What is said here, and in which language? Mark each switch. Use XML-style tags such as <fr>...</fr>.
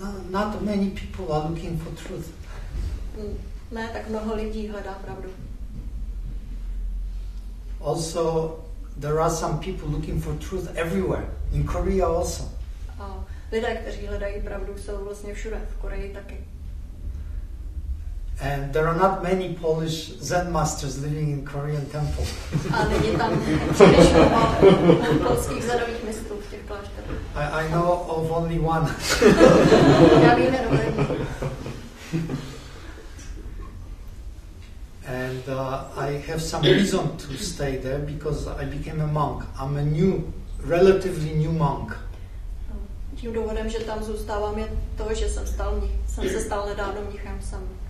<en>Not many people are looking for truth.</en> <cs>Ne, tak mnoho lidí hledá pravdu.</cs> <en>Also, there are some people looking for truth everywhere. In Korea also.</en> <cs>A lidé, kteří hledají pravdu, jsou vlastně všude, v Koreji taky.</cs> <en>And there are not many Polish Zen masters living in Korean temple.</en> <cs>A není tam příliš polských zenových mistrů v těch klášterech.</cs> <en>I know of only one.</en> <cs>Já vím jenom jeden.</cs> <en>And I have some reason to stay there because I became a monk. I'm a new, relatively new monk.</en> <cs>Tím důvodem, že tam zůstávám, je to, že jsem stal mnichem. Jsem se stal nedávno mnichem sám.</cs>